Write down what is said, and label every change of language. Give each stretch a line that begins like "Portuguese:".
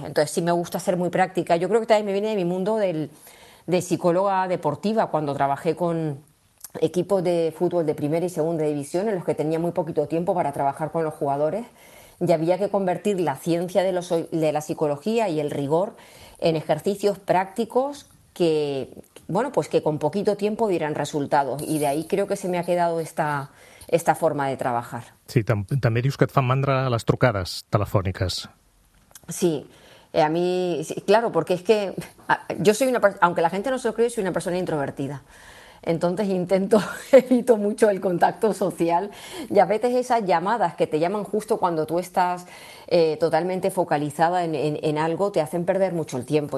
Spanish: Entonces, sí me gusta ser muy práctica. Yo creo que también me viene de mi mundo de psicóloga deportiva, cuando trabajé con equipos de fútbol de primera y segunda división en los que tenía muy poquito tiempo para trabajar con los jugadores. Y había que convertir la ciencia de la psicología y el rigor en ejercicios prácticos que, bueno, pues que con poquito tiempo dieran resultados. Y de ahí creo que se me ha quedado esta forma de trabajar.
Catalan: Sí, també dius que et fan mandra les trucades telefòniques. Sí.
Spanish: A mí, sí, claro, porque es que yo soy una, aunque la gente no se lo cree, soy una persona introvertida. Entonces evito mucho el contacto social, y a veces esas llamadas que te llaman justo cuando tú estás totalmente focalizada en algo te hacen perder mucho el tiempo.